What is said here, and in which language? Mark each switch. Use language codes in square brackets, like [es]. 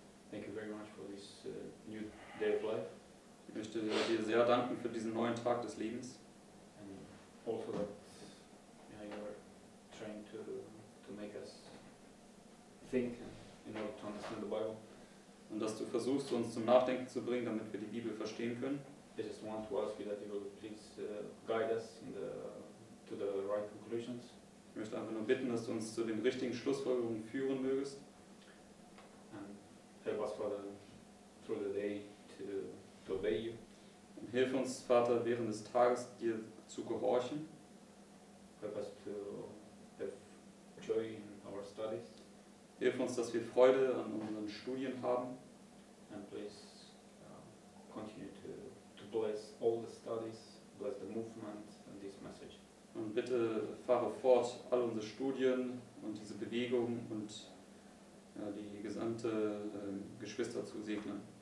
[en] thank you very much for this new day of life. [de] Ich möchte dir sehr danken für diesen neuen Tag des Lebens. [en] And also that you are trying to make us think in order to understand the Bible. [de] Und dass du versuchst, uns zum Nachdenken zu bringen, damit wir die Bibel verstehen können. [en] I just want to ask you that you will please guide us to the right conclusions. [de] Ich möchte einfach nur bitten, dass du uns zu den richtigen Schlussfolgerungen führen mögest. [en] And help us, Father, through the day to obey you. [de] Und hilf uns, Vater, während des Tages dir zu gehorchen. [en] Help us to have joy in our studies. [de] Hilf uns, dass wir Freude an unseren Studien haben. [en] And please continue to bless all the studies, bless the movement and this message. [de] Und bitte fahre fort all unsere Studien und diese Bewegung und ja, die gesamte Geschwister zu segnen.